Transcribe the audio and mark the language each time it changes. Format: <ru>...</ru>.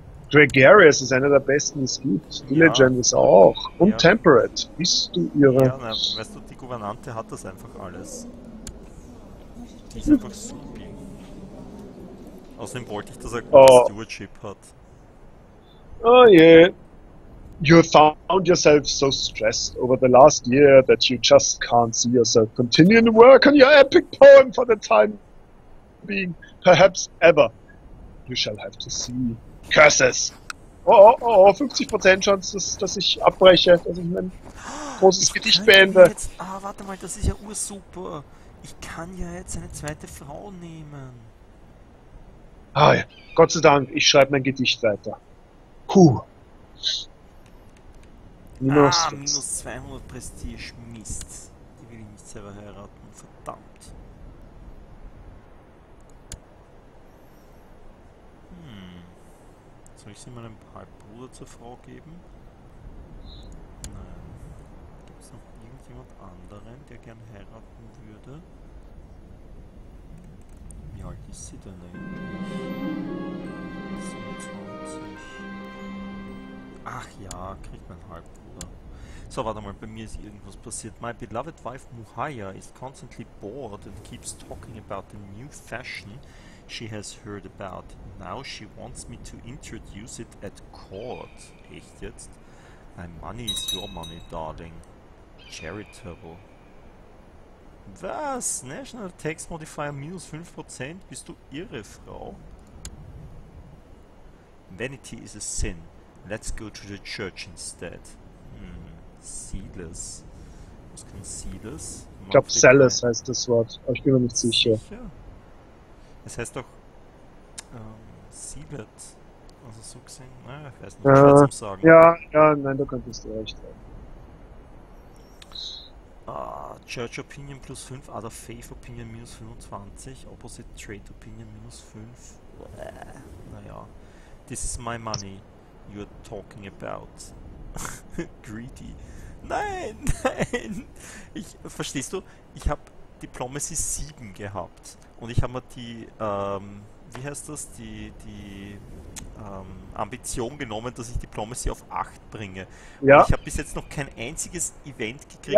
<de>Gregarious ist einer der besten, die es gibt. Diligent ja. ist auch. Und ja. Temperate. Bist du ihre. Ja, na, weißt du, die Gouvernante hat das einfach alles. Die ist einfach supi. Außerdem wollte ich, dass er gutes Stewardship hat.</de> <en>Oh yeah. You found yourself so stressed over the last year that you just can't see yourself continuing to work on your epic poem for the time being, perhaps ever. You shall have to see. Curses!</en> <de>Oh, oh, oh, 50% Chance, dass ich abbreche, dass ich mein großes Gedicht beende. Jetzt, ah, warte mal, das ist ja ursuper. Ich kann ja jetzt eine zweite Frau nehmen. Ah ja, Gott sei Dank, ich schreibe mein Gedicht weiter. Puh. Minus, ah, minus 200 Prestige, Mist. Die will ich nicht selber heiraten, verdammt. Soll ich sie meinem Halbbruder zur Frau geben? Nein. Gibt es noch irgendjemand anderen, der gern heiraten würde? Wie alt ist sie denn eigentlich? 27. Ach ja, kriegt mein Halbbruder. So, warte mal, bei mir ist irgendwas passiert.</de> <en>My beloved wife Muhaya is constantly bored and keeps talking about the new fashion she has heard about. Now she wants me to introduce it at court.</en> <de>Echt jetzt?</de> <en>My money is your money, darling. Charitable. Was?</en> <de>National Tax Modifier minus 5%? Bist du irre, Frau?</de> <en>Vanity is a sin. Let's go to the church instead. Hmm.</en> <de>Seedless. Was kann Seedless? Ich glaube, Seedless heißt das Wort. Aber ich bin mir nicht sicher. Es heißt doch Seedlet, also so gesehen, naja, ich weiß nicht, ich werde es sagen. Ja, ja, nein, da könntest du recht haben.</de> <en>Church Opinion plus 5, Other Faith Opinion minus 25, Opposite Trade Opinion minus 5,</en> <de>naja,</de> <en>this is my money you're talking about. Greedy.</en> <de>Nein, nein, ich, verstehst du, ich habe Diplomacy 7 gehabt. Und ich habe mal die, wie heißt das, die Ambition genommen, dass ich Diplomacy auf 8 bringe. Ja. Und ich habe bis jetzt noch kein einziges Event gekriegt,</de>